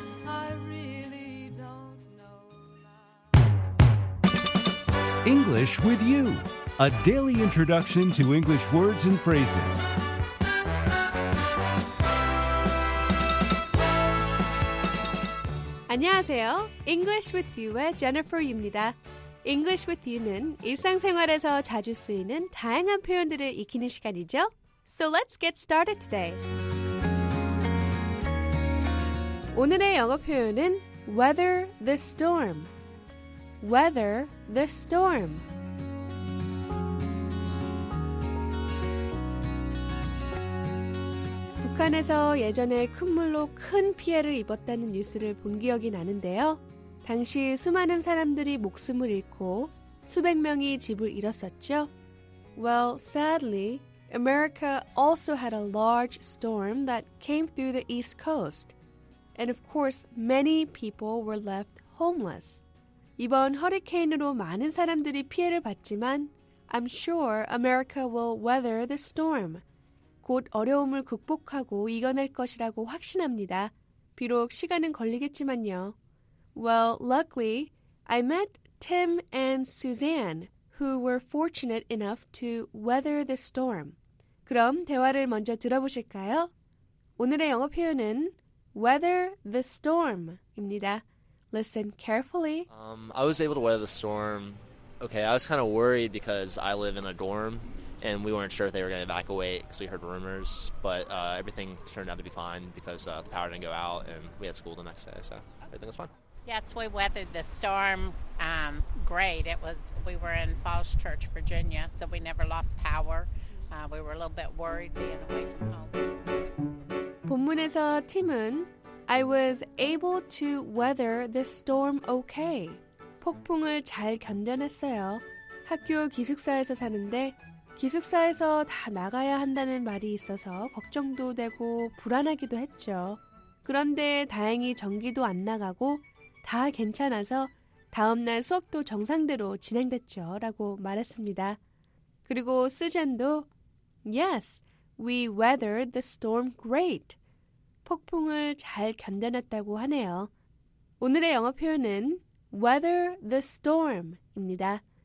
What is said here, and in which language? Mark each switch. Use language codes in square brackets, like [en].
[en] I really don't know life. English with you, a daily introduction to English words and phrases. [ko] English with You의 Jennifer입니다. English with You는 일상생활에서 자주 쓰이는 다양한 표현들을 익히는 시간이죠. [en] So let's get started today. [ko] 오늘의 영어 표현은 weather the storm. [en] Weather the storm. [ko] 북한에서 예전에 큰 물로 큰 피해를 입었다는 뉴스를 본 기억이 나는데요. 당시 수많은 사람들이 목숨을 잃고 수백 명이 집을 잃었었죠. [en] Well, sadly, America also had a large storm that came through the East Coast. And of course, many people were left homeless. [ko] 이번 허리케인으로 많은 사람들이 피해를 봤지만 [en] I'm sure America will weather the storm. [ko] 곧 어려움을 극복하고 이겨낼 것이라고 확신합니다. 비록 시간은 걸리겠지만요. [en] Well, luckily, I met Tim and Suzanne, who were fortunate enough to weather the storm. [ko] 그럼 대화를 먼저 들어보실까요? 오늘의 영어 표현은 weather the storm입니다. [en] Listen carefully. I was able to weather the storm Okay, I was kind of worried because I live in a dorm, and we weren't sure if they were going to evacuate because we heard rumors, but everything turned out to be fine because the power didn't go out, and we had school the next day, so everything was fine. Yes, we weathered the storm great. We were in Falls Church, Virginia, so we never lost power. We were a little bit worried being away from home. [ko] 본문에서 팀은 [en] I was able to weather the storm okay. [ko] 폭풍을 잘 견뎌냈어요. 학교 기숙사에서 사는데 기숙사에서 다 나가야 한다는 말이 있어서 걱정도 되고 불안하기도 했죠. 그런데 다행히 전기도 안 나가고 다 괜찮아서 다음 날 수업도 정상대로 진행됐죠. 라고 말했습니다. 그리고 수잔도 [en] Yes, we weathered the storm great. [ko] 폭풍을 잘 견뎌냈다고 하네요. 오늘의 영어 표현은 weather the storm입니다.